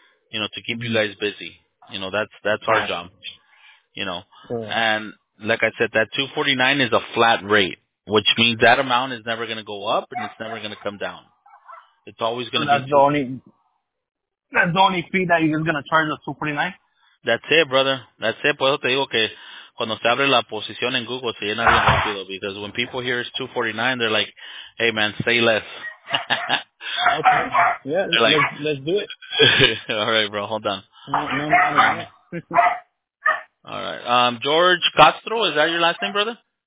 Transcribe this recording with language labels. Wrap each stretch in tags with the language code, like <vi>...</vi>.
<en>You know, to keep you guys busy. You know, that's our job. You know, and like I said, that $249 is a flat rate, which means that amount is never going to go up and it's never going to come down. It's always going to be. That's the only fee that you're going to charge us, $249. That's it, brother. That's it.</en> <es>Por eso te digo que cuando se abre la posición en Google, se llena bien rápido.</es> <en>Because when people hear it's $249, they're like, hey, man, say less. Okay. Yeah, like, let's do it. All right, bro. Hold on. No. All right. George Castro, is that your last name, brother?</en>